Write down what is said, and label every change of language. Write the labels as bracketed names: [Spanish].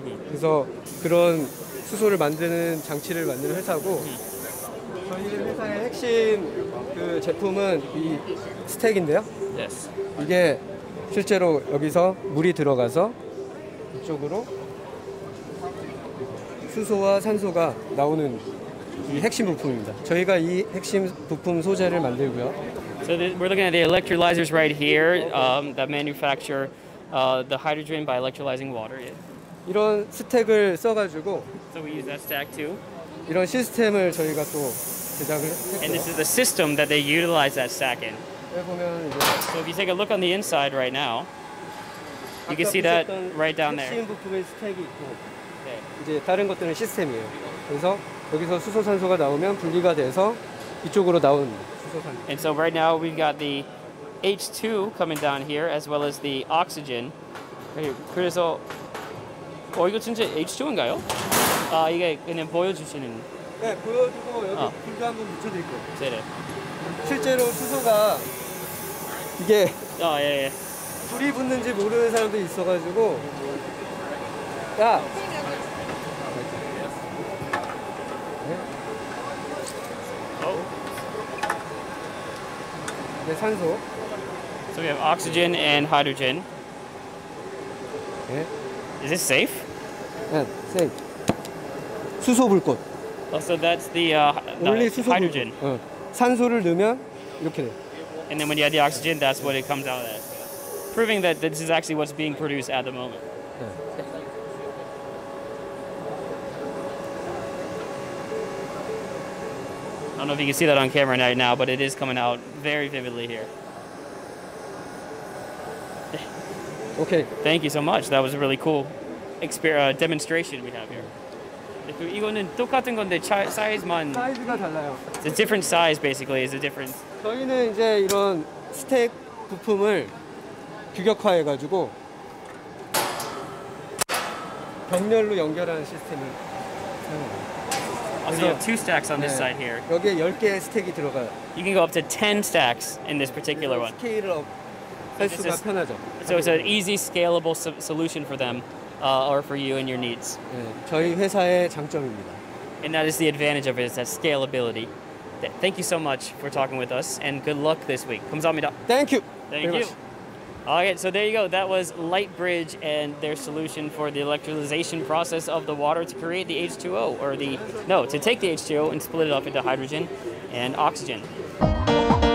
[Korean] 그래서 그런 수소를 만드는 장치를 만드는 회사고, 저희 회사의 핵심 그 제품은 이 스택인데요. [English] Yes. [Korean] 이게 실제로 여기서 물이 들어가서 이쪽으로 수소와 산소가 나오는 이 핵심 부품입니다. 저희가 이 핵심 부품 소재를 만들고요. [English] So we're looking at the electrolyzers right here that manufacture the hydrogen by electrolyzing water. [Korean] 이런 스택을 써가지고 [English] So we use that stack too. [Korean] 이런 시스템을 저희가 또 제작을 했고요. [English] And this is the system that they utilize that stack in. [Korean] 보면 이제 [English] So if you take a look on the inside right now, you can see that right down there. [Korean] 핵심 부품의 스택이 있고 네. 이제 다른 것들은 시스템이에요. 그래서 여기서 수소 산소가 나오면 분리가 돼서 이쪽으로 나오는 [English] And so right now we've got the H2 coming down here as well as the oxygen. [Korean] 그래서 어 이거 진짜 H2인가요? 아 이게 그냥 보여주시는. 네 보여주고 여기 불도 한번 붙여드릴게요. 네네. 실제로 수소가 이게 아 예예. 예. 불이 붙는지 모르는 사람도 있어가지고 야. 네, 산소. [English] So we have oxygen and hydrogen. [Korean] 네. [English] Is this safe? [Korean] 네, safe. 수소 불꽃. [English] Oh, so that's the hydrogen. 어. [Korean] 산소를 넣으면 이렇게 돼. [English] And then when you add the oxygen, that's what it comes out as. Proving that this is actually what's being produced at the moment. 네. I don't know if you can see that on camera right now, but it is coming out very vividly here. Okay. Thank you so much. That was a really cool demonstration we have here. [Korean] 이거는 똑같은 건데 사이즈만 사이즈가 달라요. [English] It's a different size basically. It's a difference. [Korean] 저희는 이제 이런 스택 부품을 규격화해 가지고 병렬로 연결하는 시스템을 사용합니다. [English] So you have two stacks on this 네. side here. [Korean] 여기에 10개의 스택이 들어가요. [English] You can go up to 10 stacks in this particular one. [Korean] 스케일업 할 수가 편하죠. [English] So it's an easy scalable solution for them or for you and your needs. [Korean] 네, 저희 회사의 장점입니다. [English] And that is the advantage of it, is that scalability. Thank you so much for talking with us and good luck this week. [Korean] 감사합니다. [English] Thank you. Thank you. All right, so there you go. That was Lightbridge and their solution for the electrolyzation process of the water to create the H2O, or to take the H2O and split it up into hydrogen and oxygen.